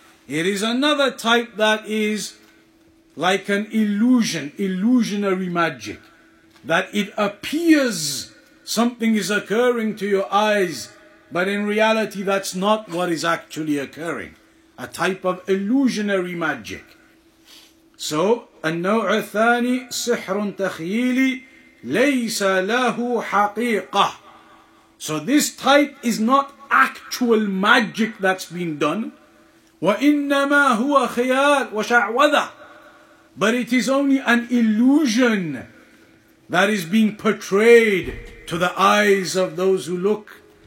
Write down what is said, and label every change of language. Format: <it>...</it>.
<en>It is another type that is like an illusion, illusionary magic, that it appears something is occurring to your eyes, but in reality, that's not what is actually occurring. A type of illusionary magic.</en> <ar>So, النوع الثاني سحر تخييلي ليس له حقيقة.</ar> <en>So this type is not actual magic that's been done.</en> <ar>وإنما هو خيال وشعوذة.</ar> <en>But it is only an illusion that is being portrayed to the eyes of those who look.</en>